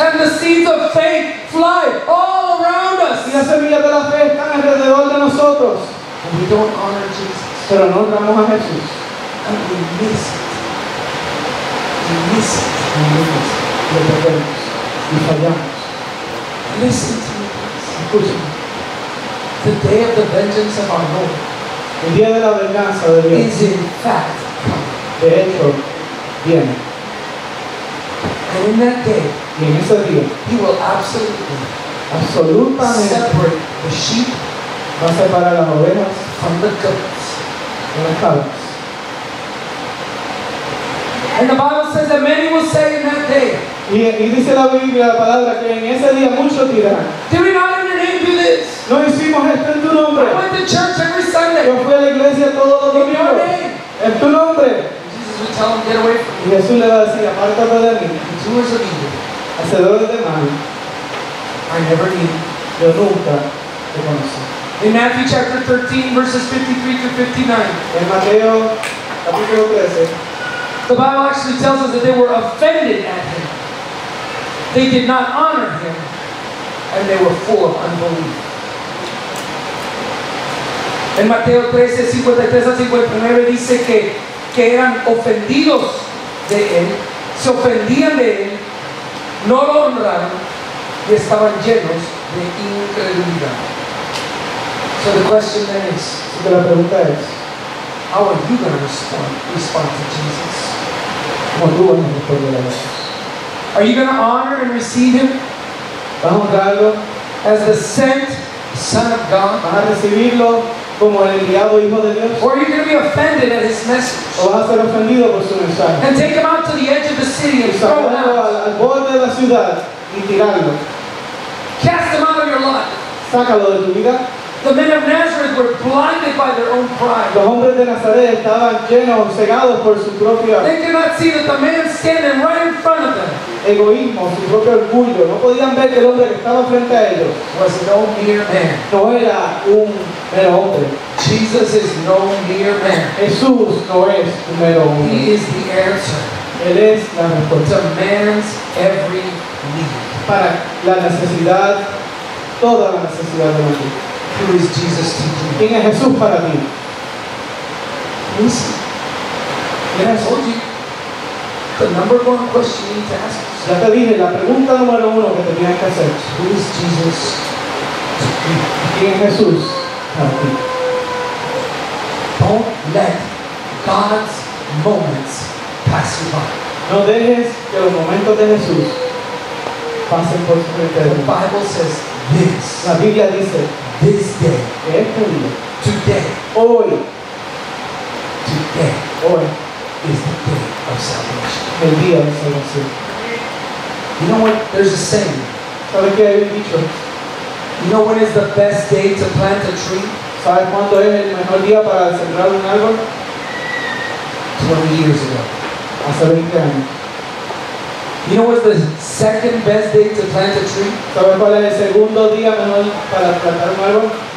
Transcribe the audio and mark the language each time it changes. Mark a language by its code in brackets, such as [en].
[en] And the seeds of faith fly all around us. [es] Y las semillas de la fe están alrededor de nosotros. [en] And we don't honor Jesus. [es] Pero no honramos a Jesús. [en] And we miss it. We miss it. We miss it. [es] Lo perdemos. Y fallamos. [en] Listen to me, please. [es] Escúchame. [en] The day of the vengeance of our Lord. [es] El día de la venganza de Dios. [en] Is in fact. [es] De hecho, viene. [en] And in that day, [es] y en ese día, [en] he will absolutely, [es] absolutamente, [en] separate the sheep, [es] va a separar las ovejas [en] from the goats, [es] de las cabras. [en] And the Bible says that many will say in that day. [es] Y dice la Biblia la palabra que en ese día muchos dirán. [en] Did we not in your name do this? [es] No hicimos esto en tu nombre. [en] I went to church every Sunday. [es] Yo fui a la iglesia todos los domingos. [en] In your name. [es] En tu nombre. [en] Tell him, get away from me. [es] Jesús le va a decir, apártate de mí. [en] Doers of evil. [es] Hacedores de mal. [en] I never knew. [es] Yo nunca te conocí. [en] In Matthew chapter 13, verses 53 to 59. [es] En Mateo, capítulo 13. [en] The Bible actually tells us that they were offended at him. They did not honor him. And they were full of unbelief. [es] En Mateo 13, 53 a 59 dice que eran ofendidos de él, se ofendían de él no lo honraron y estaban llenos de incredulidad. [en] So the question then is, [es] la pregunta es, [en] how are you going to respond to Jesus? [es] ¿Cómo tú vas a responder a Jesús? [en] Are you going to honor and receive him? [es] ¿Vas a honrarlo? [en] As the sent Son of God? [es] ¿Vas a recibirlo como el enviado Hijo de Dios? [en] Or are you going to be offended at his message? [es] ¿O vas a ser ofendido por su mensaje? [en] And take him out to the edge of the city and throw him out. [es] Al borde de la ciudad y tirarlo. [en] Cast him out of your life. [es] Sácalo de tu vida. [en] The men of Nazareth were blinded by their own pride. [es] Los hombres de Nazaret estaban llenos, cegados por su propia. [en] They could not see that the man standing right in front of them. [es] Egoísmo, su propio orgullo. No podían ver que el hombre que estaba frente a ellos. [en] Was no mere man. [es] No era un mero hombre. [en] Jesus is no mere man. [es] Jesús no es un mero hombre. [en] He is the answer. [es] Él es la respuesta. [en] To man's every need. [es] Para la necesidad, toda la necesidad del hombre. [en] Who is Jesus to you? [es] ¿Quién es Jesús para ti? [en] Listen. Yes. I told you the number one question you need to ask. [es] Ya te dije la pregunta número uno que tenías que hacer. [en] Who is Jesus to you? [es] ¿Quién es Jesús para ti? [en] Don't let God's moments pass you by. [es] No dejes que los momentos de Jesús pasen por tu mente. [en] The Bible says this. [es] La Biblia dice. [en] This day, [es] este día, [en] today, [es] hoy, [en] is the day of salvation. [es] El día de salvación. [en] You know what? There's a saying. [es] ¿Sabe qué hay dicho? [en] You know when is the best day to plant a tree? [es] ¿Sabe cuándo es el mejor día para sembrar un árbol? [en] 20 years ago. [es] Hace 20 años. [en] You know what's the second best day to plant a tree? [es] ¿Sabes cuál es el segundo día mejor para plantar un árbol?